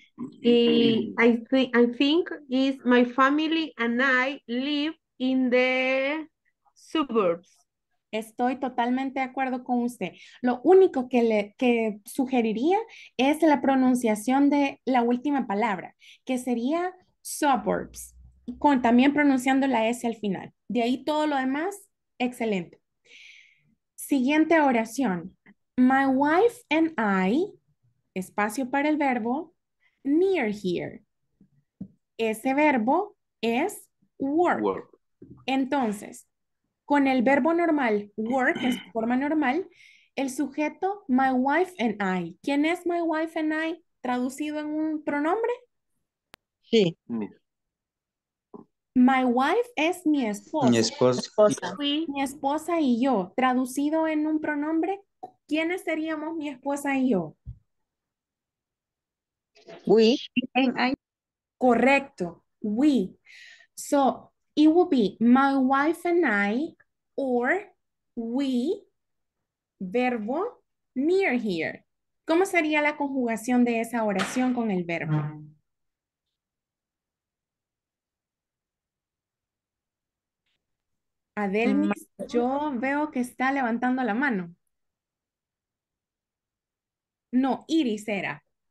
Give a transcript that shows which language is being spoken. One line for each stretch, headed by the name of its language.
English: I think is my family and I live in the suburbs.
Spanish: Estoy totalmente de acuerdo con usted. Lo único que que sugeriría es la pronunciación de la última palabra, que sería suburbs, con también pronunciando la S al final. De ahí todo lo demás, excelente. Siguiente oración.
English: My wife and I,
Spanish: espacio para el verbo,
English: near here.
Spanish: Ese verbo es work. Work. Entonces, con el verbo normal, work, que es forma normal, el sujeto,
English: my wife and I.
Spanish: ¿Quién es
English: my wife and I
Spanish: traducido en un pronombre? Sí. My wife es mi esposa. Mi esposa. Mi esposa y yo. Traducido en un pronombre, ¿quiénes seríamos mi esposa y yo?
English: We.
Spanish: Correcto. We.
English: So, it would be my wife and I or we, verbo, near here.
Spanish: ¿Cómo sería la conjugación de esa oración con el verbo? Adelmis, yo veo que está levantando la mano. No, Iris era.